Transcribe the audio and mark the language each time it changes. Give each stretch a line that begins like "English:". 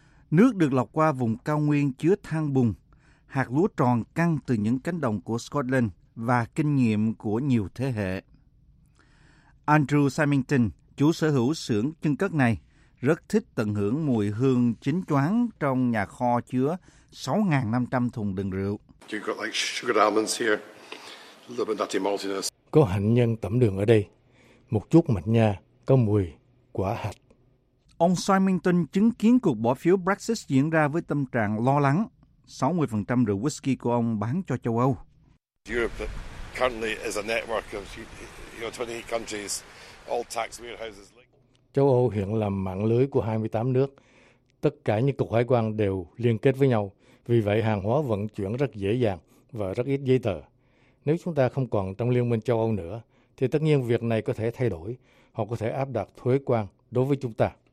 Vietnamese: Nước được lọc qua vùng cao nguyên chứa than bùn, hạt lúa tròn căng từ những cánh đồng của Scotland và kinh nghiệm của nhiều thế hệ. Andrew Symington, chủ sở hữu xưởng trưng cất này, rất thích tận hưởng mùi hương chín choáng trong nhà kho chứa 6.500 thùng đựng rượu.
English: You've got like sugar almonds here, a little bit nutty maltiness.
Vietnamese: Có hạnh nhân tẩm đường ở đây, một chút mạch nha, có mùi quả hạch. Ông Symington chứng kiến cuộc bỏ phiếu Brexit diễn ra với tâm trạng lo lắng. 60% rượu whisky của ông bán cho châu Âu.
English: Europe currently is a network of 28 countries, all tax warehouses.
Vietnamese: Châu Âu hiện là mạng lưới của 28 nước. Tất cả những cục hải quan đều liên kết với nhau. Vì vậy, hàng hóa vận chuyển rất dễ dàng và rất ít giấy tờ. Nếu chúng ta không còn trong Liên minh châu Âu nữa, thì tất nhiên việc này có thể thay đổi. Họ có thể áp đặt thuế quan đối với chúng ta.